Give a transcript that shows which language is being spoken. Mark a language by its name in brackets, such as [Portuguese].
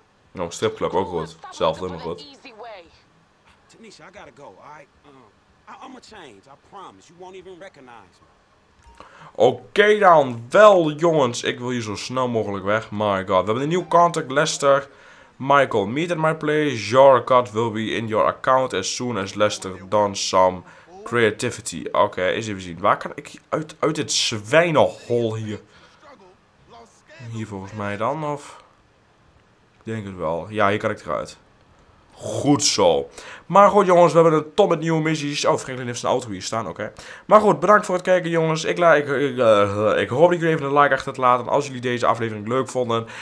[Dutch] Nou, strip club, ook goed. Hetzelfde, maar goed. [English] Tanisha, I gotta go, alright? I'm a change, I promise. You won't even recognize me. [Dutch] Oké dan, wel jongens. Ik wil hier zo snel mogelijk weg. [English] My god, [Dutch] we hebben een nieuw contact, Lester. [English] Michael, meet at my place. Your card will be in your account as soon as Lester done some creativity. [Dutch] Oké, eens even zien. Waar kan ik uit dit zwijnenhol hier? Hier volgens mij dan, of? Ik denk het wel. Ja, hier kan ik eruit. Goed zo. Maar goed jongens, we hebben een top met nieuwe missies. Oh, Franklin heeft zijn auto hier staan, oké. Maar goed, bedankt voor het kijken jongens. Ik hoop dat jullie even een like achter te laten als jullie deze aflevering leuk vonden.